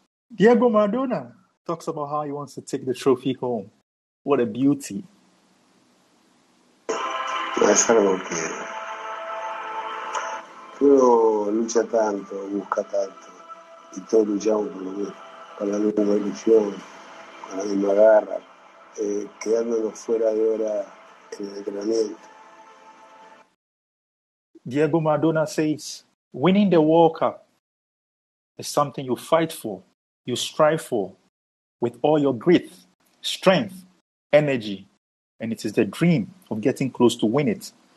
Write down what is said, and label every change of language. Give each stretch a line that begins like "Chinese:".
English: Diego Maradona talks about how he wants to take the trophy home. What a beauty.
Spanish: Es algo que uno lucha tanto, busca tanto, y todos luchamos por lo mismo, con la misma ilusión, con la misma garra, quedándonos fuera de hora en el entrenamiento.
English: Diego Maradona says, winning the World Cup is something you fight for, you strive for, with all your grit, strength, energy, and it is the dream of getting close to win it.